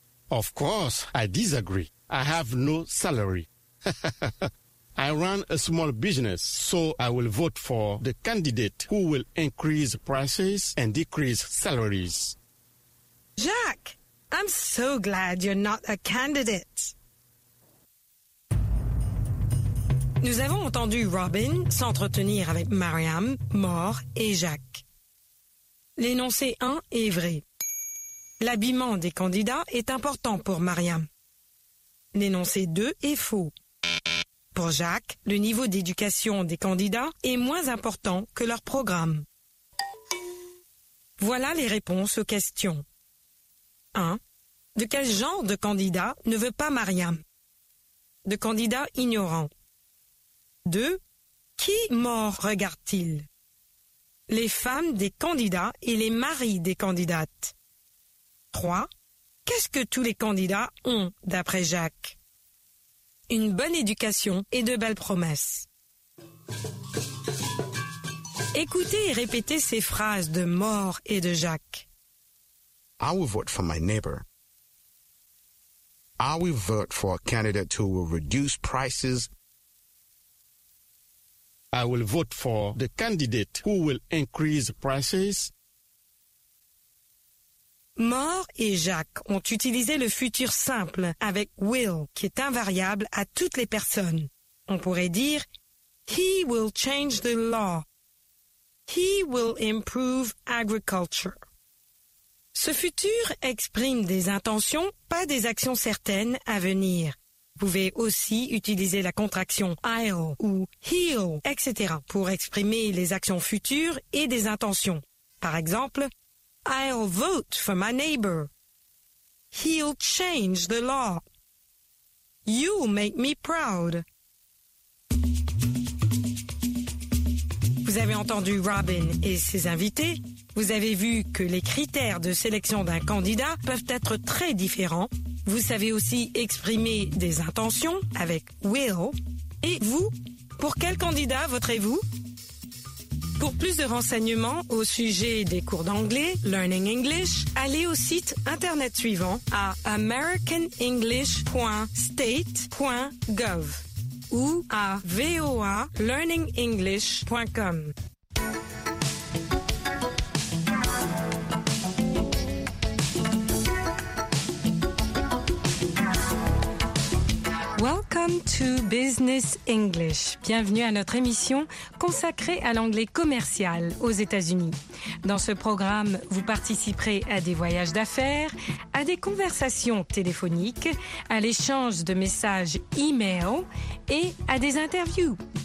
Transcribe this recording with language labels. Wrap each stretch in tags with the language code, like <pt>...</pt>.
<en>Of course, I disagree. I have no salary. I run a small business, so I will vote for the candidate who will increase prices and decrease salaries. Jacques, I'm so glad you're not a candidate.</en> <fr>Nous avons entendu Robin s'entretenir avec Mariam, Moore et Jacques. L'énoncé 1 est vrai. L'habillement des candidats est important pour Mariam. L'énoncé 2 est faux. Pour Jacques, le niveau d'éducation des candidats est moins important que leur programme. Voilà les réponses aux questions. 1. De quel genre de candidat ne veut pas Mariam? De candidat ignorant. 2. Qui mort regarde-t-il? Les femmes des candidats et les maris des candidates. 3. Qu'est-ce que tous les candidats ont, d'après Jacques? Une bonne éducation et de belles promesses. Écoutez et répétez ces phrases de Moore et de Jacques.</fr> <en>I will vote for my neighbor. I will vote for a candidate who will reduce prices. I will vote for the candidate who will increase prices.</en> <fr>Moore et Jacques ont utilisé le futur simple avec will, qui est invariable à toutes les personnes. On pourrait dire,</fr> <en>he will change the law. He will improve agriculture.</en> <fr>Ce futur exprime des intentions, pas des actions certaines à venir. Vous pouvez aussi utiliser la contraction I'll ou he'll, etc. pour exprimer les actions futures et des intentions. Par exemple,</fr> <en>I'll vote for my neighbor. He'll change the law. You'll make me proud.</en> <fr>Vous avez entendu Robin et ses invités. Vous avez vu que les critères de sélection d'un candidat peuvent être très différents. Vous savez aussi exprimer des intentions avec will. Et vous, pour quel candidat voterez-vous? Pour plus de renseignements au sujet des cours d'anglais, Learning English, allez au site internet suivant à americanenglish.state.gov ou à voalearningenglish.com.</fr> <en>Welcome to Business English.</en> <fr>Bienvenue à notre émission consacrée à l'anglais commercial aux États-Unis. Dans ce programme, vous participerez à des voyages d'affaires, à des conversations téléphoniques, à l'échange de messages e-mail et à des interviews.</fr>